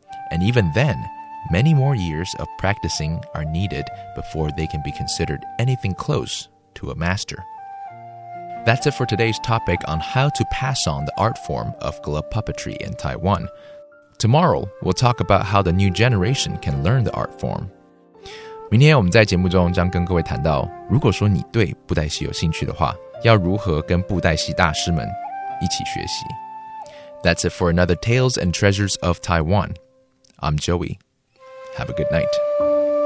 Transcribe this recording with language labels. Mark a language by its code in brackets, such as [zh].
[en] And even then, many more years of practicing are needed before they can be considered anything close to a master. That's it for today's topic on how to pass on the art form of glove puppetry in Taiwan. Tomorrow, we'll talk about how the new generation can learn the art form. [zh] 明天我们在节目中将跟各位谈到，如果说你对布袋戏有兴趣的话，要如何跟布袋戏大师们一起学习。 [en] That's it for another Tales and Treasures of Taiwan. I'm Joey. Have a good night.